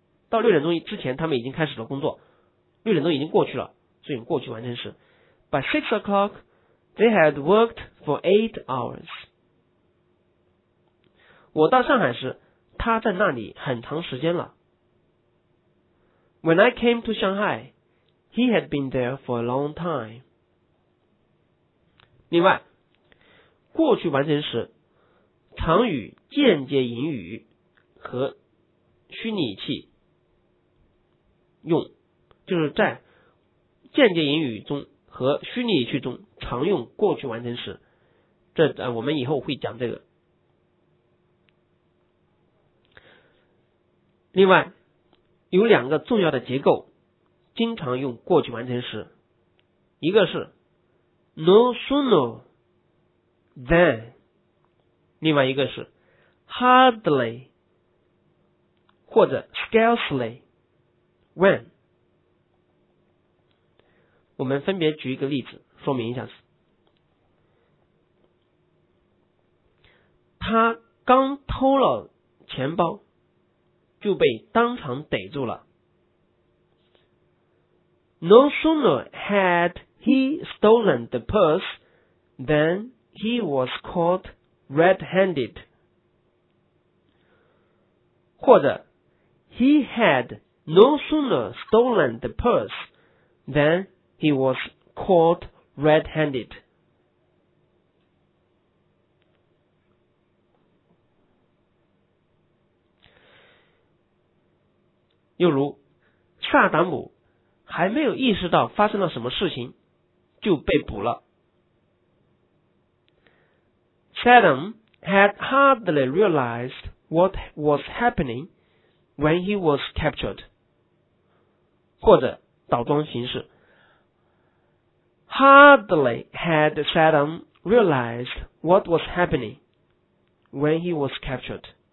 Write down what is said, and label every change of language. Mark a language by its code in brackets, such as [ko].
[zh] 到六点钟之前，他们已经开始了工作。六点钟已经过去了，所以过去完成时。 [en] By 6 o'clock, they had worked for 8 hours. [zh] 我到上海时，他在那里很长时间了。 [en] When I came to Shanghai, he had been there for a long time. [zh] 另外，过去完成时，常与间接引语和虚拟语气用，就是在间接引语中和虚拟语气中常用过去完成时。这我们以后会讲这个。另外，有两个重要的结构经常用过去完成时，一个是 no sooner than，另外一个是 hardly 或者 scarcely when。我们分别举一个例子说明一下。他刚偷了钱包就被当场逮住了。 [en] No sooner had he stolen the purse than he was caughtred-handed， 或者 he had no sooner stolen the purse than he was caught red-handed。 [zh] 又如，萨达姆还没有意识到发生了什么事情就被捕了。 [en] Saddam had hardly realized what was happening when he was captured. [zh] 或者倒装形式。 [en] Hardly had Saddam realized what was happening when he was captured.